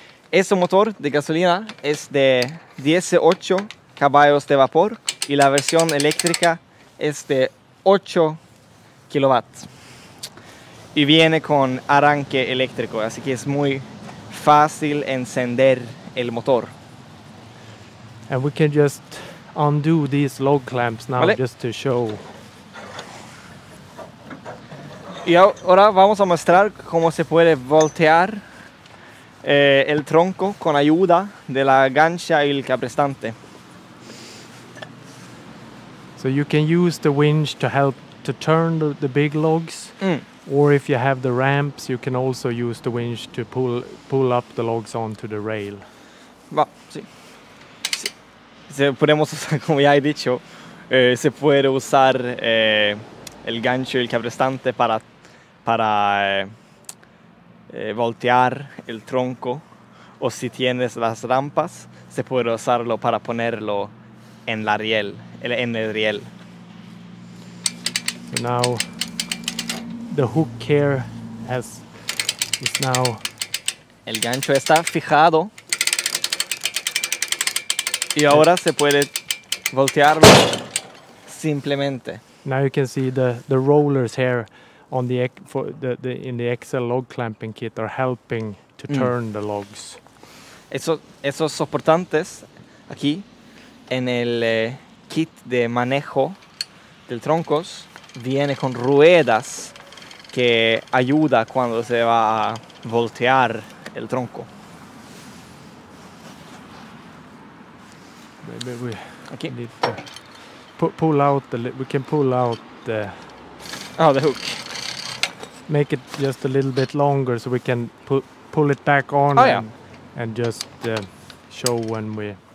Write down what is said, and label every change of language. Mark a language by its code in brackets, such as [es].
[es] Este motor de gasolina es de 18 caballos de vapor y la versión eléctrica es de 8 kilowatts. Y viene con arranque eléctrico, así que es muy fácil encender el motor. [en] And we can just undo these log clamps now. [es] ¿Vale? [en] Just to show. [es] Y ahora vamos a mostrar cómo se puede voltear el tronco con ayuda de la gancha y el cabrestante. [en] So you can use the winch to help to turn the big logs. Mm. Or if you have the ramps, you can also use the winch to pull up the logs onto the rail. [es] Sí. Podemos usar, como ya he dicho, se puede usar el gancho y el cabrestante para voltear el tronco, o si tienes las rampas, se puede usarlo para ponerlo en la riel, en el riel. [en] So now the hook here is now [es] el gancho está fijado y ahora se puede voltearlo simplemente. [en] Now you can see the rollers here on the XL log clamping kit are helping to turn the logs. [es] Esos soportantes aquí en el kit de manejo del troncos viene con ruedas que ayuda cuando se va a voltear el tronco. [en] Maybe we okay. need to pull out the we can pull out the oh the hook. Make it just a little bit longer so we can pull it back on. Oh, yeah. and just show when we...